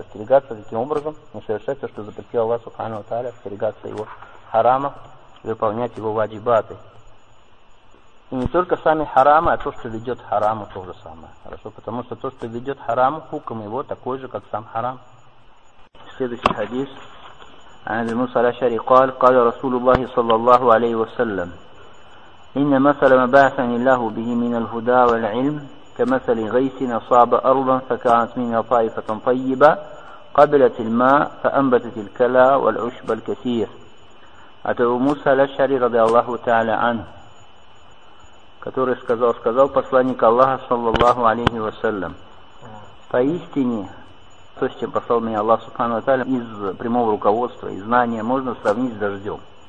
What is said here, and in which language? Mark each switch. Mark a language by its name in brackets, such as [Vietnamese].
[Russian] Остерегаться таким образом, не совершать то, что запретил Аллах Субхану ва Тааля, остерегаться его харамов и выполнять его ваджибаты. И не только сами харамы, а то, что ведет хараму, то же самое. Хорошо, потому что то, что ведет хараму, хукм его такой же, как сам харам. Следующий хадис. [Arabic] عن ابي موسى الاشعري قال: قال رسول الله صلى الله عليه وسلم: ان مثل ما بعثني الله به من الهدى والعلم كمثل غيث اصاب ارضا فكانت منها طائفه طيبه قبلت الماء فانبتت الكلى والعشب الكثير. عن ابي موسى الاشعري رضي الله تعالى عنه, [Russian] который сказал посланник Аллаха, саллаллаху алейхи вассалям: поистине, то, с чем послал меня Аллах, субхану ва тааля, из прямого руководства, из знания, можно сравнить с дождем.